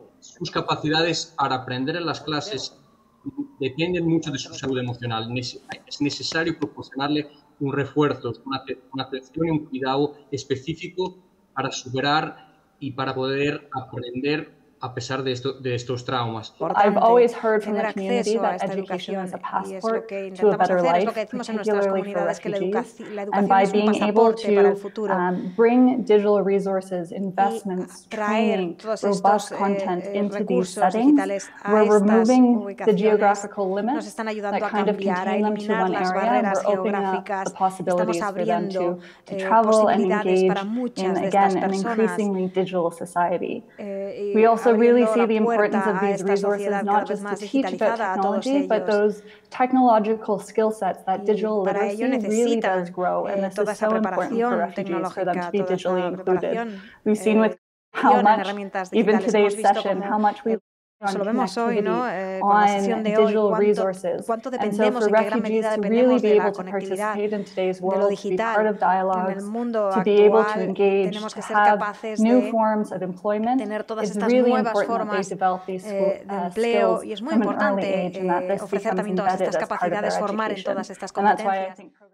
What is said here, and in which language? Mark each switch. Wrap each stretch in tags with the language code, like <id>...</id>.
<es>Sus capacidades para aprender en las clases dependen mucho de su salud emocional. Es necesario proporcionarle un refuerzo, una atención y un cuidado específico para superar y para poder aprender a pesar de estos traumas.</es> <en>I've always heard from the community that education is a passport to a better life, particularly for refugees. And by being able to bring digital resources, investments, training, robust content into these settings, we're removing the geographical limits that kind of contain them to one area, and we're opening up the possibilities for them to travel and engage in, again, an increasingly digital society. We also really see the importance of these resources not just to teach about technology, but those technological skill sets that digital literacy really does grow, and this is so important for refugees, for them to be digitally included. We've seen with how much, even today's session, how much we</en> <es>lo vemos hoy, ¿no? Con la sesión de hoy, ¿cuánto dependemos, en qué gran medida dependemos de la conectividad, de lo digital, en el mundo actual? Tenemos que ser capaces de tener todas estas nuevas formas de empleo, y es muy importante ofrecer también todas estas capacidades, formar en todas estas competencias.</es>